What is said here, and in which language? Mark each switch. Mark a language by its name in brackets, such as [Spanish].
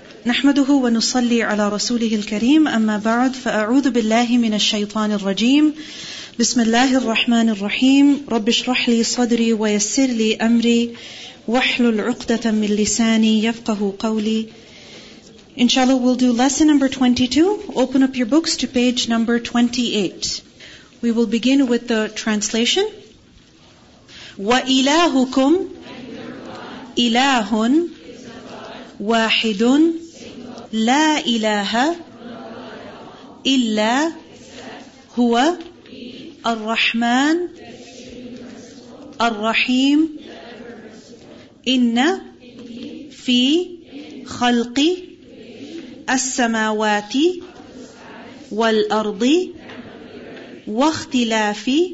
[Arabic] نحمده ونصلي على رسوله الكريم، أما بعد، فأعوذ بالله من الشيطان الرجيم. بسم الله الرحمن الرحيم. رب اشرح لي صدري ويسر لي أمري واحلل عقدة من لساني يفقه قولي. [English] Inshallah, we'll do lesson number 22. Open up your books to page number 28. We will begin with the translation. [Arabic] وَإِلَاهُكُمْ إِلَاهٌ وَاحِدٌ لَا إِلَاهَ إِلَّا هُوَ الرَّحْمَنُ الرَّحِيمُ إِنَّ فِي خَلْقِ السماوات والأرض واختلاف